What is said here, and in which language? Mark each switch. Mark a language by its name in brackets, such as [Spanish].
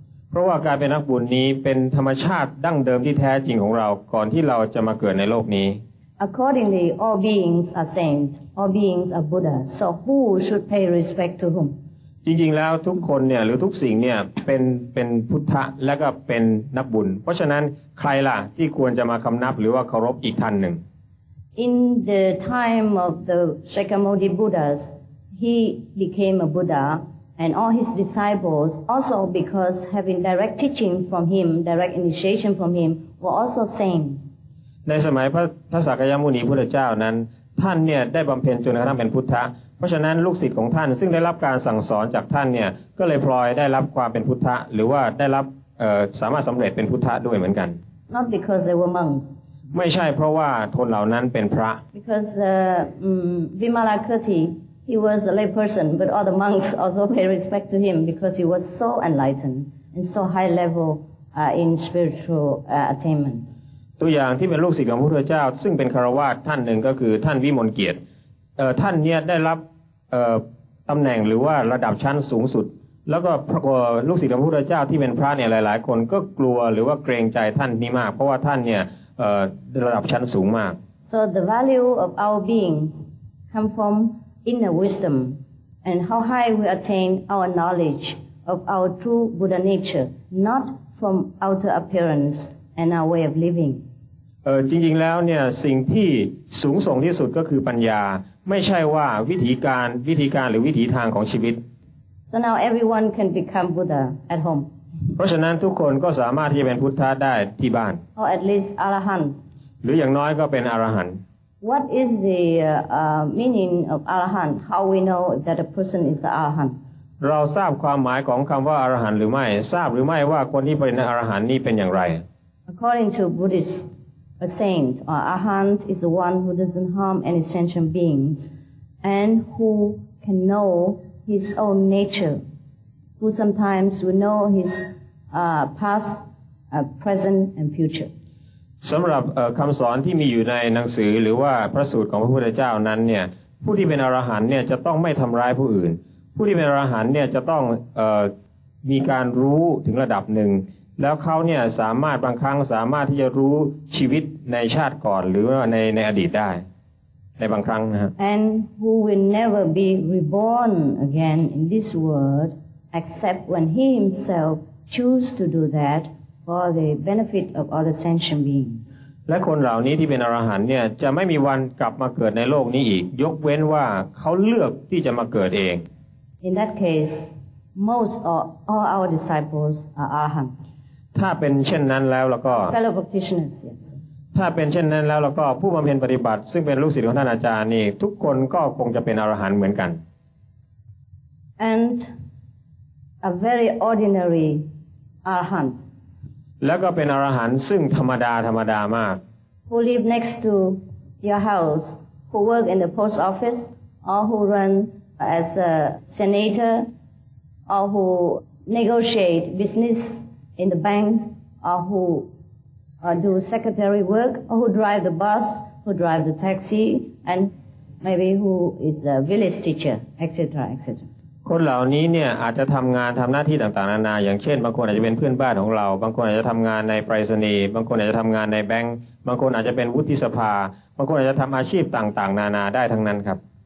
[Thai] เพราะว่าการเป็นนักบุญนี้เป็นธรรมชาติดั้งเดิมที่แท้จริงของเราก่อนที่เราจะมาเกิดในโลกนี้ [English] Accordingly all beings are saint all beings are Buddha so who should pay respect to whom [Thai] จริงๆแล้วทุกคนเนี่ยหรือทุกสิ่งเนี่ยเป็นพุทธะและก็เป็นนักบุญเพราะฉะนั้นใครล่ะที่ควรจะมาคำนับหรือว่าเคารพอีกท่านหนึ่ง [English] In the time of the Shakyamuni Buddhas he became a Buddha and all his disciples also because having direct teaching from him direct initiation from him were also saints [Thai] ในสมัยพระสักยมุนีพุทธเจ้านั้นท่านเนี่ยได้บำเพ็ญจนกระทั่งเป็นพุทธะเพราะฉะนั้นลูกศิษย์ของท่านซึ่งได้รับการสั่งสอนจากท่านเนี่ยก็เลยพลอยได้รับความเป็นพุทธะหรือว่าได้รับสามารถสำเร็จเป็นพุทธะด้วยเหมือนกัน [English] Not because they were monks [Thai] ม่ใช่เพราะว่าทนเหล่านั้นเป็นพระ [English] Because Vimalakirti he was a lay person but all the monks also pay respect to him because he was so enlightened and so high level in spiritual attainment [Thai] ตัวอย่างที่เป็นลูกศิษย์ของพระพุทธเจ้าซึ่งเป็นคารวาสท่านหนึ่งก็คือท่านวิมลเกียรติท่านเนี่ยได้รับตำแหน่งหรือว่าระดับชั้นสูงสุดแล้วก็ลูกศิษย์ของพระพุทธเจ้าที่เป็นพระเนี่ยหลายๆคนก็กลัวหรือว่าเกรงใจท่านนี้มากเพราะว่าท่านเนี่ยระดับชั้นสูงมาก [English] So the value of our beings come from inner wisdom and how high we attain our knowledge of our true Buddha nature not from outer appearance and our way of living [Thai] จริงๆแล้วเนี่ยสิ่งที่สูงส่งที่สุดก็คือปัญญาไม่ใช่ว่าวิธีการหรือวิถีทางของชีวิต [English] So now everyone can become Buddha at home [Thai] เพราะฉะนั้นทุกคนก็สามารถที่จะเป็นพุทธะได้ที่บ้าน [English] Or at least Arahant [Thai] หรืออย่างน้อยก็เป็นอรหันต์ [English] What is the meaning of Arahant how we know that a person is the Arahant [Thai] เราทราบความหมายของคำว่าอรหันต์หรือไม่ทราบหรือไม่ว่าคนที่เป็นอรหันต์นี่เป็นอย่างไร [English] According to BuddhistA saint or Arahant is the one who doesn't harm any sentient beings and who can know his own nature, who sometimes will know his past, present, and future. [Thai] สำหรับคำสอนที่มีอยู่ในหนังสือหรือว่าพระสูตรของพระพุทธเจ้านั้นเนี่ยผู้ที่เป็นอรหันต์เนี่ยจะต้องไม่ทำร้ายผู้อื่นผู้ที่เป็นอรหันต์เนี่ยจะต้องมีการรู้ถึงระดับหนึ่งแล้วเขาเนี่ยสามารถบางครั้งสามารถที่จะรู้ชีวิตในชาติก่อนหรือว่าในอดีตได้ในบางครั้งนะครับ [English] And who will never be reborn again in this world except when he himself choose to do that for the benefit of other sentient beings [Thai] และคนเหล่านี้ที่เป็นอรหันต์เนี่ยจะไม่มีวันกลับมาเกิดในโลกนี้อีกยกเว้นว่าเขาเลือกที่จะมาเกิดเอง [English] In that case most or all our disciples are arahant [Thai] ถ้าเป็นเช่นนั้นแล้วก็ [English] Fellow practitioners yes [Thai] ถ้าเป็นเช่นนั้นแล้วก็ผู้บำเพ็ญปฏิบัติซึ่งเป็นลูกศิษย์ของท่านอาจารย์นี่ทุกคนก็คงจะเป็นอรหันต์เหมือนกัน [English] And a very ordinary arahant [Thai] แล้วก็เป็นอรหันต์ซึ่งธรรมดามาก [English] Who live next to your house who work in the post office or who run as a senator or who negotiate businessin the banks or who do secretary work or who drive the bus who drive the taxi and maybe who is a village teacher etc etc [Thai] คนเหล่านี้เนี่ยอาจจะทำงานทำหน้าที่ต่างๆนานาอย่างเช่นบางคนอาจจะเป็นเพื่อนบ้านของเราบางคนอาจจะทำงานในไปรษณีย์บางคนอาจจะทำงานในแบงก์บางคนอาจจะเป็นวุฒิสภาบางคนอาจจะทำอาชีพต่างๆนานาได้ทั้งนั้นครับ